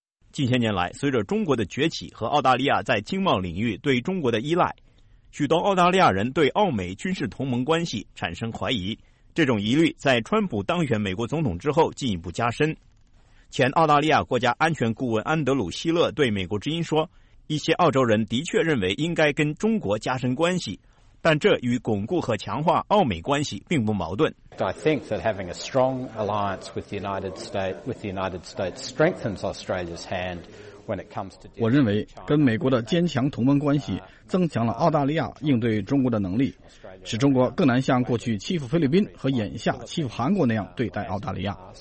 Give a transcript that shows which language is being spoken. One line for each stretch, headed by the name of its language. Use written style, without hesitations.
Chinese: 近些年来，随着中国的崛起和澳大利亚在经贸领域对中国的依赖，许多澳大利亚人对澳美军事同盟关系产生怀疑，这种疑虑在川普当选美国总统之后进一步加深。前澳大利亚国家安全顾问安德鲁·希勒对美国之音说，一些澳洲人的确认为应该跟中国加深关系，但这与巩固和强化澳美关系并不矛盾。
English: I think that having a strong alliance with the United States strengthens Australia's hand.
Chinese: 我认为跟美国的坚强同盟关系增强了澳大利亚应对中国的能力，使中国更难像过去欺负菲律宾和眼下欺负韩国那样对待澳大利亚。